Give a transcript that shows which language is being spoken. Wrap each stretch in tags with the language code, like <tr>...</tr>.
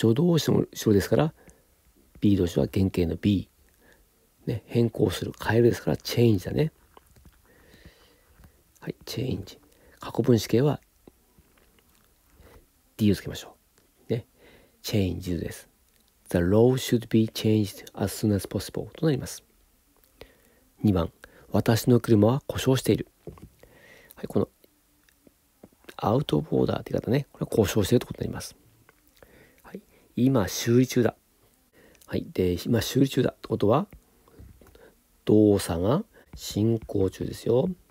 <ja>助動詞も後ろですから be 動詞は原形の be、ね、変更する変えるですから change だね。はい、チェンジ。過去分詞形は D をつけましょう。ね、チェンジです。</ja> <en>The law should be changed as soon as possible となります。</en> <ja>2番、私の車は故障している。はい、このアウトボーダーという方ね、これは故障しているということになります。はい、今修理中だ。はい、で今修理中だということは動作が進行中ですよ。</ja>